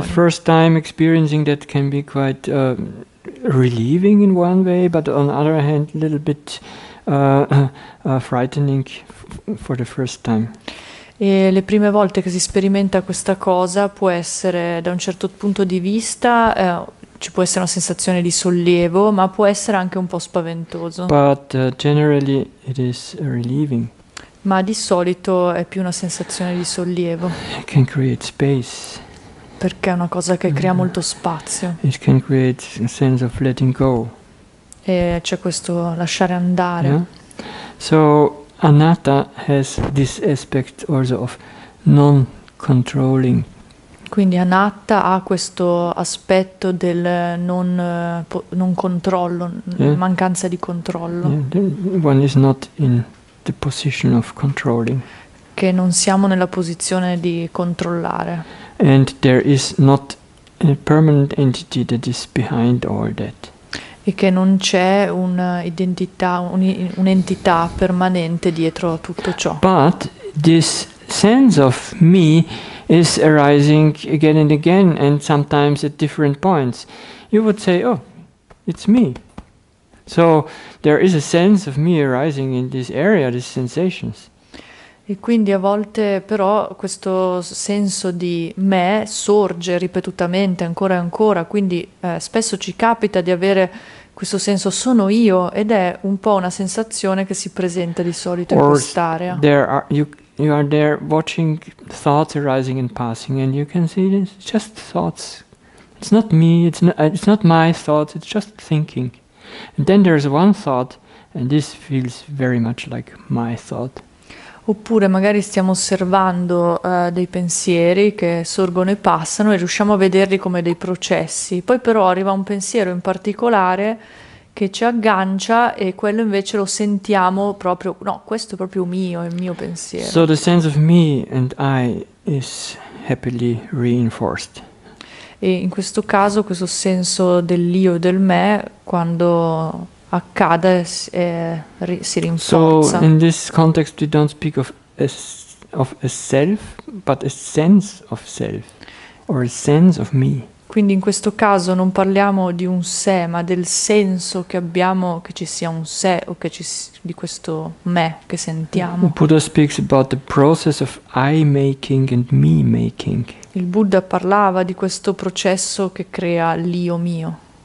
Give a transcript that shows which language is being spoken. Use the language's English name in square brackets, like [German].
[English] The first time experiencing that can be quite relieving in one way, but on the other hand a little bit frightening for the first time. [Italian] E le prime volte che si sperimenta questa cosa può essere, da un certo punto di vista, ci può essere una sensazione di sollievo, ma può essere anche un po' spaventoso. [English] But generally it is relieving. [Italian] Ma di solito è più una sensazione di sollievo. [English] It can create space. [Italian] Perché è una cosa che crea molto spazio. [English] It can create a sense of letting go. [Italian] E c'è questo lasciare andare. [English] Yeah? So anatta has this aspect also of non controlling. [Italian] Quindi anatta ha questo aspetto del non controllo, yeah? Mancanza di controllo. [English] Yeah, one is not in the position of controlling. [Italian] Che non siamo nella posizione di controllare. [English] And there is not a permanent entity that is behind all that. [Italian] E che non c'è un'identità, un'entità permanente dietro a tutto ciò. [English] But this sense of me is arising again and again, and sometimes at different points. You would say, oh, it's me. So there is a sense of me arising in this area, these sensations. [Italian] E quindi a volte però questo senso di me sorge ripetutamente, ancora e ancora, quindi spesso ci capita di avere questo senso sono io, ed è un po' una sensazione che si presenta di solito [English] or [Italian] in quest'area. [English] You are there watching thoughts arising and passing, and you can see it's just thoughts. It's not me, it's not my thoughts, it's just thinking. And then there's one thought, and this feels very much like my thought. [Italian] Oppure magari stiamo osservando dei pensieri che sorgono e passano e riusciamo a vederli come dei processi. Poi però arriva un pensiero in particolare che ci aggancia e quello invece lo sentiamo proprio, no, questo è proprio mio, è il mio pensiero. [English] So the sense of me and I is happily reinforced. [Italian] E in questo caso questo senso dell'io e del me, quando accade, si rinforza. [English] So in this context we don't speak of a self, but a sense of self, or a sense of me. [Italian] Quindi in questo caso non parliamo di un sé, ma del senso che abbiamo che ci sia un sé, o che ci di questo me che sentiamo. [English] Buddha speaks about the process of I making and me making. [Italian] Il Buddha parlava di questo processo che crea l'io mio.